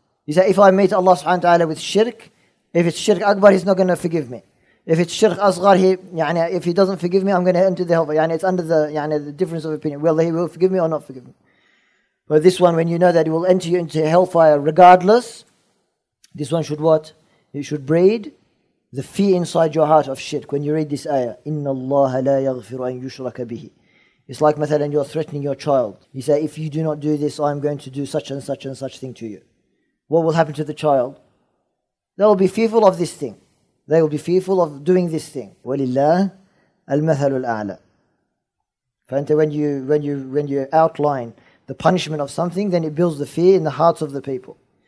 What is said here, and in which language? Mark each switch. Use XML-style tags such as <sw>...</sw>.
<en>You say, if I meet Allah subhanahu wa ta'ala with shirk, if it's shirk akbar, He's not going to forgive me. If it's shirk asghar, if He doesn't forgive me, I'm going to enter the hellfire. It's under the difference of opinion. Whether He will forgive me or not forgive me. But this one, when you know that He will enter you into hellfire regardless, this one should what? It should breed the fear inside your heart of shirk. When you read this ayah,</en> <ar>إِنَّ اللَّهَ لَا يَغْفِرُ أَن يُشْرَكَ بِهِ.</ar> <en>It's like, مثلاً, you're threatening your child. You say, if you do not do this, I'm going to do such and such and such thing to you. What will happen to the child? They will be fearful of this thing. They will be fearful of doing this thing.</en> <ar>وَلِلَّهِ الْمَثَلُ الْأَعْلَى.</ar> <en>When you outline the punishment of something, then it builds the fear in the hearts of the people.</en>